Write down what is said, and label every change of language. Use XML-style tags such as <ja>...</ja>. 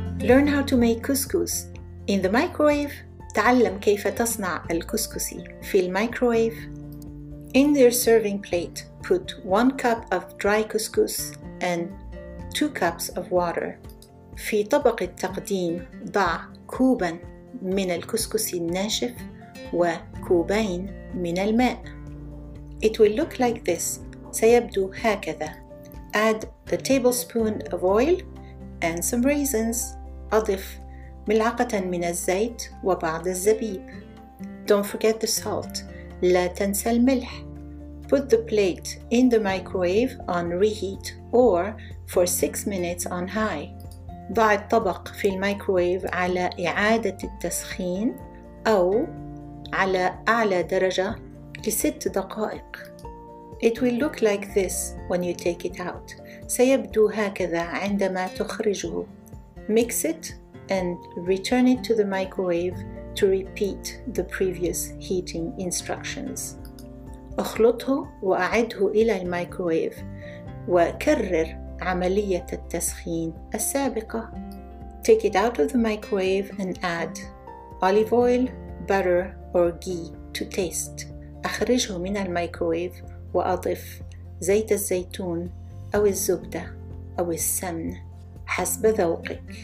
<en>Learn how to make couscous in the microwave.</en> <ar>تعلم كيف تصنع الكسكسي في الميكرويف.</ar> <en>In your serving plate, put 1 cup of dry couscous and 2 cups of water.</en> <ar>في طبق التقديم ضع كوبا من الكسكسي الناشف وكوبين من الماء.</ar> <en>It will look like this.</en> <ar>سيبدو هكذا.</ar> <en>Add a tablespoon of oil and some raisins.</en> <ar>أضف ملعقة من الزيت وبعض الزبيب.</ar> <en>Don't forget the salt.</en> <ar>لا تنسى الملح.</ar> <en>Put the plate in the microwave on reheat or for 6 minutes on high.</en> <ar>ضع الطبق في الميكرويف على إعادة التسخين أو على أعلى درجة لست دقائق.</ar> <en>It will look like this when you take it out.</en> <ar>سيبدو هكذا عندما تخرجه.</ar> <en>Mix it and return it to the microwave to repeat the previous heating instructions.</en> <ar>اخلطه وأعده إلى الميكرويف وكرر عملية التسخين السابقة.</ar> <en>Take it out of the microwave and add olive oil, butter or ghee to taste.</en> <ar>أخرجه من الميكرويف وأضف زيت الزيتون أو الزبدة أو السمن حسب ذوقك.</ar>